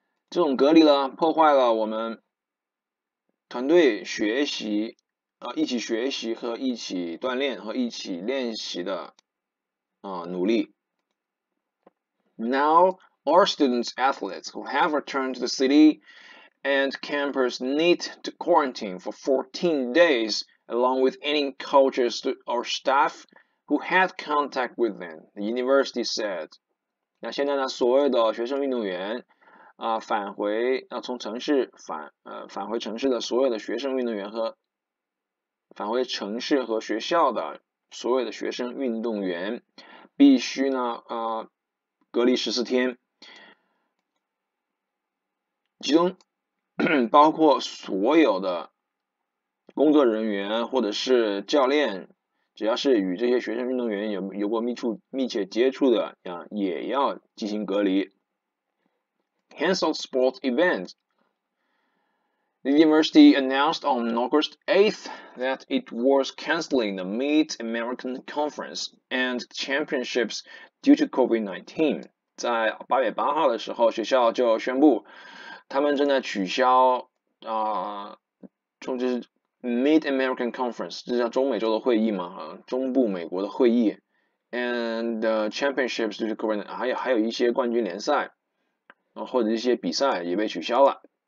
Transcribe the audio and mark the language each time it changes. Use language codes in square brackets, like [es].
[zh] 这种隔离呢，破坏了我们团队学习一起学习和一起锻炼和一起练习的努力。 [en] Now, our students athletes who have returned to the city and campers need to quarantine for 14 days along with any coaches or staff who had contact with them, the university said. [zh] 那现在呢，所有的学生运动员返回城市的所有的学生运动员和返回城市和学校的所有的学生运动员必须呢隔离14天，其中包括所有的工作人员或者是教练，只要是与这些学生运动员有过密切接触的也要进行隔离。 [en] Canceled sports events. The university announced on August 8th that it was canceling the Mid-American Conference and Championships due to COVID-19. [zh] 在8月8号的时候，学校就宣布他们正在取消就是 Mid-American Conference， 这叫中美洲的会议嘛，中部美国的会议 [en] and Championships due to COVID-19， [zh] 还有一些冠军联赛或者一些比赛也被取消了。